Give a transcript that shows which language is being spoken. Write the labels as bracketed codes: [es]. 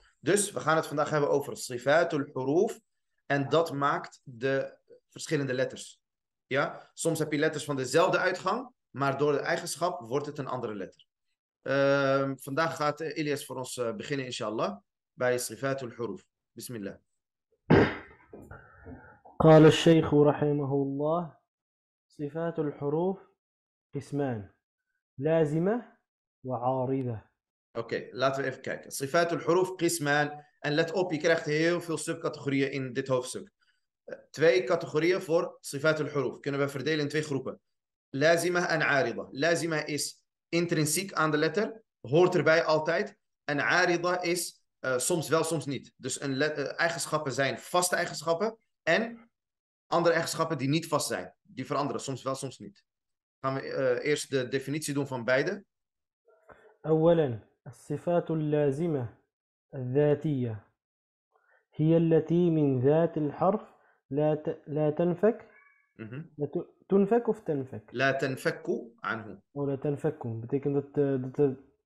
[nl] Dus we gaan het vandaag hebben over sifatul huruf. En dat maakt de verschillende letters. Ja? Soms heb je letters van dezelfde uitgang, maar door de eigenschap wordt het een andere letter. Vandaag gaat Ilyas voor ons beginnen, inshallah, bij sifatul huruf. Bismillah. [ar] قال الشيخ رحمه الله صفات الحروف قسمان لازمة وعارضة. [nl] Okay, laten we even kijken. [ar] صفات الحروف قسمان. [nl] And let up, je krijgt heel veel subcategorieën in dit hoofdstuk. Twee categorieën voor صفات الحروف. Kunnen we verdelen in twee groepen. [ar] لازمة en عارضة. [nl] لازمة is intrinsiek aan de letter. Hoort erbij altijd. En عارضة is soms wel, soms niet. Dus eigenschappen zijn vaste eigenschappen. En andere eigenschappen die niet vast zijn. Die veranderen, soms wel, soms niet. Gaan we eerst de definitie doen van beide. [ar] أولا الصفات اللازمة الذاتية هي التي من ذات الحرف لا تنفك تنفك of تنفك لا تنفك عنه [nl] ولا تنفك betekent dat dat